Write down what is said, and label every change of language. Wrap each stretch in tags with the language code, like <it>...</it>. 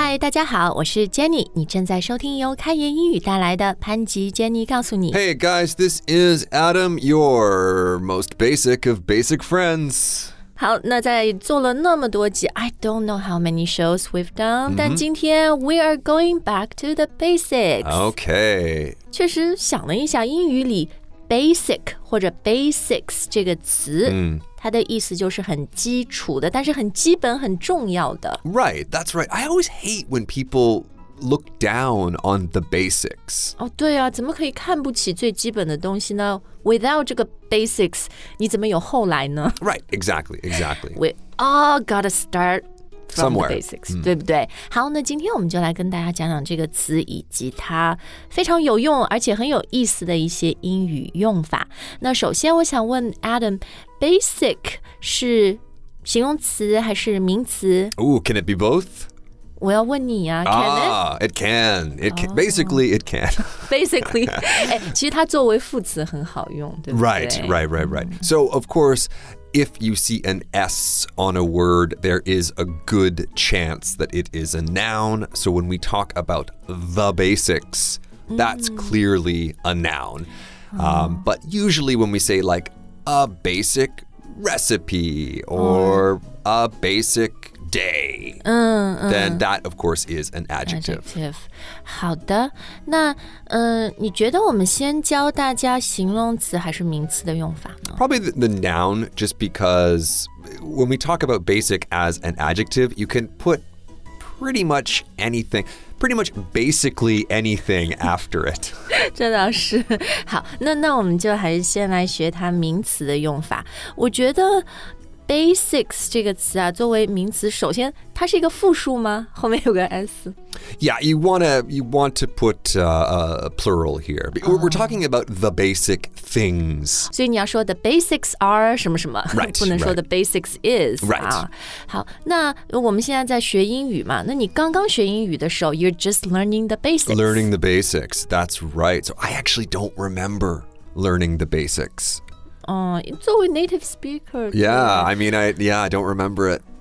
<zh>家好，我是 Jenny， 你正在收听由开言英语带来的潘吉 Jenny 告诉你。</zh> <en>Hey guys, this is Adam, your most basic of basic friends.</en> <zh>好，那在做了那么多集</zh> <en>I don't know how many shows we've done、mm-hmm.</en> <zh>但今天</zh> <en>we are going back to the basics. Okay.</en> <zh>确实想了一下英语里 basic 或者 basics 这个词、mm. 它的意思就是很基础的但是很基本很重要的</zh> <en>Right, that's right. I always hate when people look down on the basics.</en> <zh>哦、oh, 对啊怎么可以看不起最基本的东西呢Without 这个 basics, 你怎么有后来呢</zh> <en>Right, exactly, exactly. We all gotta start from、Somewhere. the basics,、mm.</en> <zh>对不对好那今天我们就来跟大家讲讲这个词以及它非常有用而且很有意思的一些英语用法。那首先我想问 Adam, basic 是形容词还是名词</zh> <en>Ooh, can it be both?</en> <zh>我要问你啊</zh> <en>can it? It can. It can. Basically, it can. Basically.</en> <zh>其实它作为副词很好用对不对</zh> <en>Right, right, right, right. So, of course, if you see an S on a word, there is a good chance that it is a noun. So when we talk about the basics, that's clearly a noun. But usually when we say like a basic recipe or a basic... day, then that, of course, is an adjective.</en> <zh>好的，那、你觉得我们先教大家形容词还是名词的用法呢</zh> <en>Probably the noun, just because when we talk about basic as an adjective, you can put pretty much anything, pretty much basically anything after it.</en> <zh>这倒是。好，那我们就还是先来学它名词的用法。我觉得Basics 这个词啊，作为名词，首先它是一个复数吗？后面有个 s。</zh> <en>Yeah, you want to put a plural here. We're talking about the basic things.</en> <zh>所以你要说</zh> <en>the basics are</en> <zh>什么什么，</zh> <en>right,</en> <zh>不能说</zh> <en>right. the basics is. Right.、</en> <zh>好，那我们现在在学英语嘛？那你刚刚学英语的时候</zh> <en>，you're just learning the basics. Learning the basics. That's right. So I actually don't remember learning the basics.</en> <zh>作为</zh> <en>native speaker Yeah, I mean, I don't remember it</en>